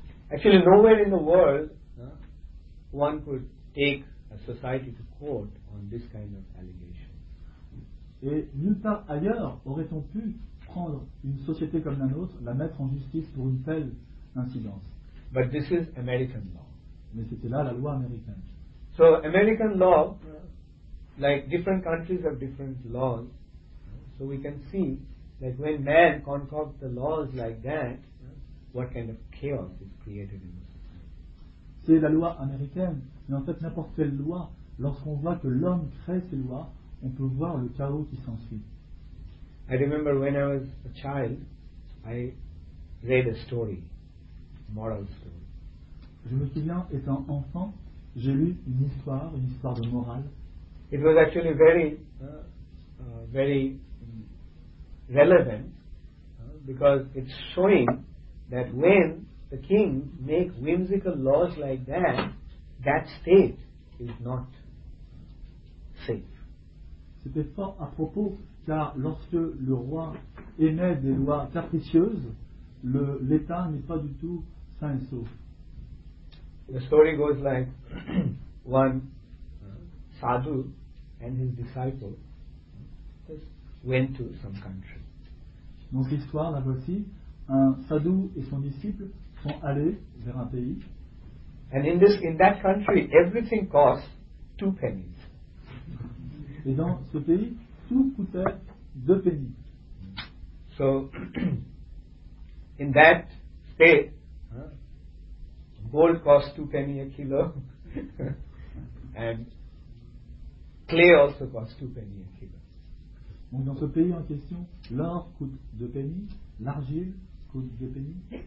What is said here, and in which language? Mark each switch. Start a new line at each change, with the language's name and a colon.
English: Actually, nowhere in the world one could take a society to court on this kind of allegation.
French: Et nulle part ailleurs aurait-on pu prendre une société comme la nôtre, la mettre en justice pour une telle incidence.
English: But this is American law.
French: Mais c'était là la loi américaine.
English: So American law, like different countries have different laws, so we can see. Like when man concocts the laws like that, what kind of chaos is created in the society?
French: C'est la loi américaine, mais en fait n'importe quelle loi, lorsqu'on voit que l'homme crée ces lois, on peut voir le chaos qui s'ensuit.
English: I remember when I was a child, I read a story, moral story.
French: Je me souviens, étant enfant, j'ai lu une histoire de morale.
English: It was actually very, very. Relevant because it's showing that when the king make whimsical laws like that, that state is not safe.
French: C'était fort à propos car lorsque le roi émet des lois capricieuses, l'État n'est pas du tout sain et sauf.
English: The story goes like one sadhu and his disciple just went to some country.
French: Donc l'histoire, la voici. Un sadhu et son disciple sont allés vers un pays.
English: And in that country, everything costs 2 pennies.
French: Et dans ce pays, tout coûtait 2 pennies.
English: So, in that state, gold costs 2 pennies a kilo, and clay also costs 2 pennies a kilo.
French: Donc dans ce pays en question, l'or coûte 2 pennies, l'argile coûte 2 pennies.